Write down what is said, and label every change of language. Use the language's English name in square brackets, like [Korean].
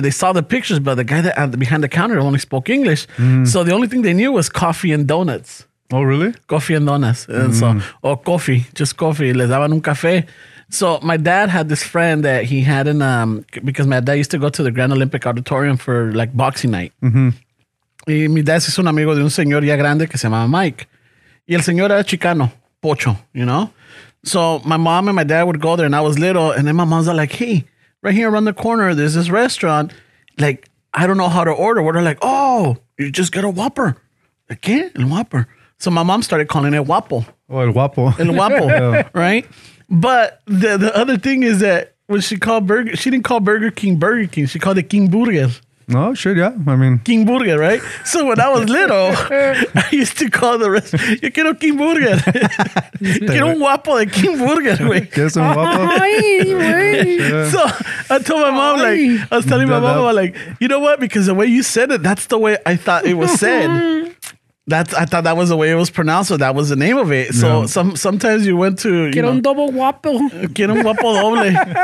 [English] They saw the pictures, but the guy behind the counter only spoke English. Mm. So the only thing they knew was coffee and donuts. Oh, really? Coffee and donuts. And so, or coffee, just coffee. [Spanish] Les daban un café. [English] So my dad had this friend that he had in, because my dad used to go to the Grand Olympic Auditorium for like boxing night. Mm-hmm. [Spanish] Y mi dad es un amigo de un señor ya grande que se llamaba Mike. Y el señor era chicano, pocho, [English] you know? So my mom and my dad would go there and I was little. And then my mom's like, hey, right here around the corner, there's this restaurant. Like, I don't know how to order. We're like, oh, you just get a Whopper. [Spanish] ¿Qué? El Whopper. [English] So my mom started calling it Guapo. Oh, el Guapo. El Guapo, yeah. Right? But the other thing is that when she called Burger, she didn't call Burger King Burger King. She called it King Burger. No, sure, yeah. I mean, King Burger, right? So when I was little, I used to call the rest. [Spanish] Yo quiero King Burger. Yo quiero un guapo de King Burger, güey. ¿Quieres un guapo? Ay, güey. [English] So I told my mom, like, I was telling my mom, like, you know what? Because the way you said it, that's the way I thought it was said. I thought that was the way it was pronounced, or that was the name of it. So yeah. Sometimes you went to, [Spanish] quiero un doble guapo. Quiero un guapo doble.